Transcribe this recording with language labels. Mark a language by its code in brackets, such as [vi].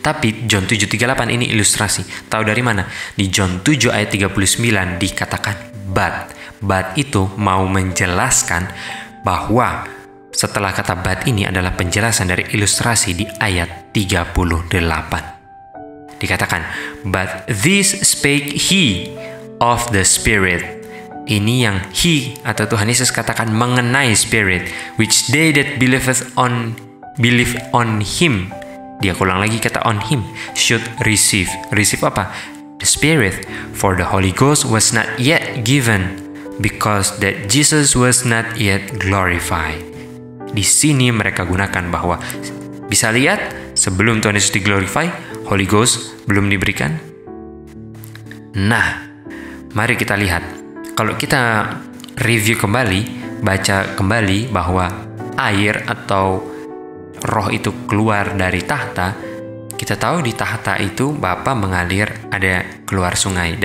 [id] Tapi John 7:38 ini ilustrasi. Tahu dari mana? Di John 7 ayat 39 dikatakan but. But itu mau menjelaskan bahwa setelah kata but ini adalah penjelasan dari ilustrasi di ayat 38. Dikatakan, [en] but this spake he of the Spirit. [id] Ini yang [en] he [id] atau Tuhan Yesus katakan mengenai [en] Spirit, which they that believe on him, [id] dia kulang lagi kata [en] on him, should receive. Receive [id] apa? [en] The Spirit, for the Holy Ghost was not yet given, because that Jesus was not yet glorified. [id] Di sini mereka gunakan bahwa, bisa lihat, sebelum Tuhan Yesus diglorify, Holy Ghost belum diberikan. Nah, mari kita lihat. Kalau kita review kembali, baca kembali bahwa air atau roh itu keluar dari tahta, kita tahu di tahta itu Bapa mengalir, ada keluar sungai.